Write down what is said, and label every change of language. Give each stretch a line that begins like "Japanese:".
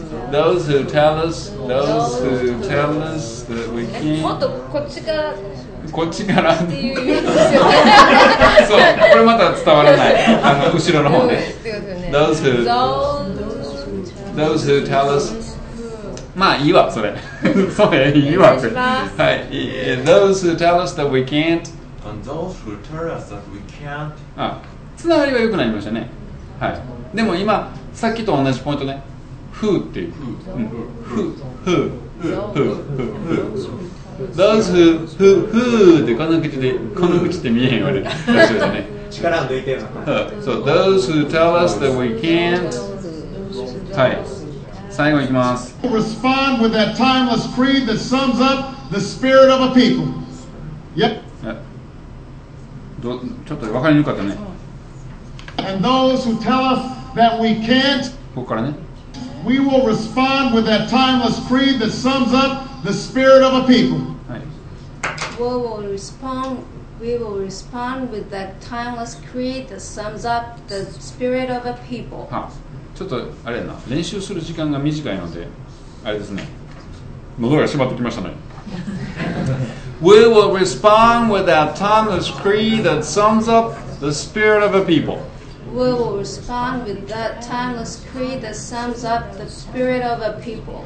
English: those who tell us, those who tell us that we can't.
Japanese: こっちからそう、これまた伝わらない。あの後ろの方で。
English: Those who tell us、
Japanese: まあいいわそれ。そうや、いいわそれ。はい。
English: Those who tell us that we can't。 And those who tell us that we can't。
Japanese: あ、つながりは良くなりましたね。はい。でも今さっきと同じポイントね。
English: Who
Japanese: っていう。
English: Who。 Who。 Who。 Who。
Japanese: Those who who who ってこの口でこの口で見えへんわね。力抜いてる。
English: So those who tell us that we can't.
Japanese: はい。最後いきます。
English: Respond with that timeless creed that sums up the spirit of a people. Yep.
Japanese: ちょっと分かりにくかったね。
English: And those who tell us that we can't.
Japanese: ここからね。
English: We will respond with that timeless creed that sums up the spirit of a people. We will respond with that timeless creed that sums up the spirit of a people.
Japanese: ちょっとあれやな、練習する時間が短いのであれですね、喉が閉まってきましたね。
English: We will respond with that timeless creed that sums up the spirit of a people. We will respond with that timeless creed that sums up the spirit of a people.